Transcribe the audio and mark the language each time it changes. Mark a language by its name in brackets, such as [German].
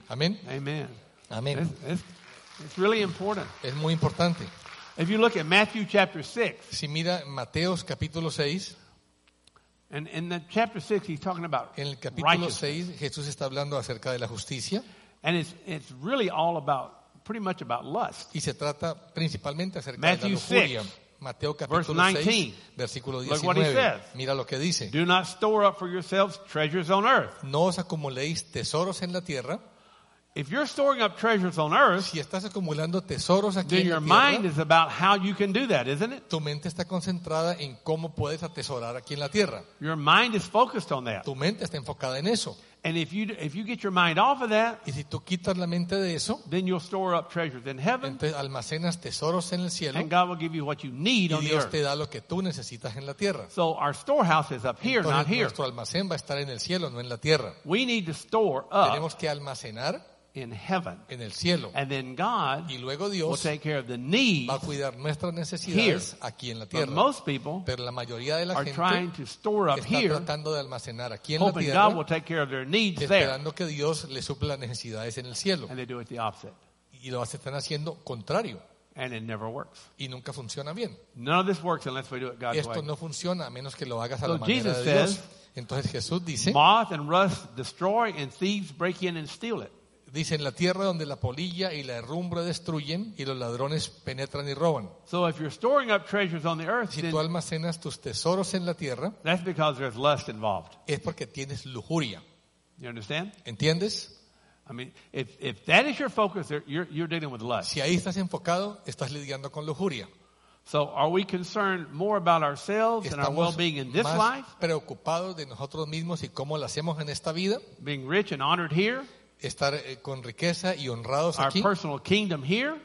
[Spanish] Amén. [English] Amen. [Spanish] Amén. [English] It's really important. [Spanish] Es muy importante. [English] If you look at Matthew chapter 6. [Spanish] Si mira Mateos capítulo 6. [English] And in the chapter 6 he's talking about [Spanish] en el capítulo 6 Jesús está hablando acerca de la justicia. [English] And it's really all about pretty much about lust. [Spanish] Y se trata principalmente acerca [English] Matthew [Spanish] de la lujuria. Mateo capítulo 6 versículo 19. Mira lo que dice. [English] Do not store up for yourselves treasures on earth. [Spanish] No os acumuléis tesoros en la tierra. [English] If you're storing up treasures on earth, [Spanish] si estás acumulando tesoros aquí [English] then your [Spanish] en la tierra, [English] mind is about how you can do that, isn't it? [Spanish] Tu mente está concentrada en cómo puedes atesorar aquí en la tierra. [English] Your mind is focused on that. [Spanish] Tu mente está enfocada en eso. [English] And if you get your mind off of that, [Spanish] y si tú quitas la mente de eso, [English] then you'll store up treasures in heaven. [Spanish] Entonces almacenas tesoros en el cielo. [English] And God will give you what you need on the earth. [Spanish] Y Dios te da lo que tú necesitas en la tierra. [English] So our storehouse is up here, [Spanish] entonces, [English] not here. [Spanish] Nuestro almacén va a estar en el cielo, no en la tierra. [English] We need to store up. [Spanish] Tenemos que almacenar. [English] In heaven, [Spanish] en el cielo. [English] And then God [Spanish] y luego Dios [English] will take care of the needs [Spanish] va a cuidar nuestras necesidades [English] here. [Spanish] Aquí en la tierra. [English] But most people [Spanish] pero la mayoría de la [English] are [Spanish] gente [English] trying to store up [Spanish] está [English] here, [Spanish] tratando de almacenar aquí en [English] hoping [Spanish] la tierra, [English] God will take care of their needs [Spanish] esperando [English] there. [Spanish] Que Dios le suple las necesidades en el cielo. [English] And they do it the opposite. [Spanish] Y lo están haciendo contrario. [English] And it never works. [Spanish] Y nunca funciona bien. [English] None of this works unless we do it God's [Spanish] esto [English] way. [Spanish] No funciona a menos que lo hagas [English] so [Spanish] a la manera [English] Jesus [Spanish] de Dios. [English] Says, [Spanish] entonces Jesús dice, [English] moth and rust destroy and thieves break in and steal it. [Spanish] Dice, en la tierra donde la polilla y la herrumbre destruyen y los ladrones penetran y roban. [English] So if you're storing up treasures on the earth, [Spanish] si tú almacenas tus tesoros en la tierra, [English] that's because there's lust involved. [Spanish] Es porque tienes lujuria. [English] You understand? [Spanish] ¿Entiendes? [English] I mean, if that is your focus, you're dealing with lust. [Spanish] Si ahí estás enfocado, estás lidiando con lujuria. [English] So are we concerned more about ourselves [Spanish] estamos [English] and our well-being in this life? [Spanish] Más preocupados de nosotros mismos y cómo lo hacemos en esta vida. [English] Being rich and honored here. [Spanish] Estar con riqueza y honrados [English] our [Spanish] aquí. [English] Personal kingdom here,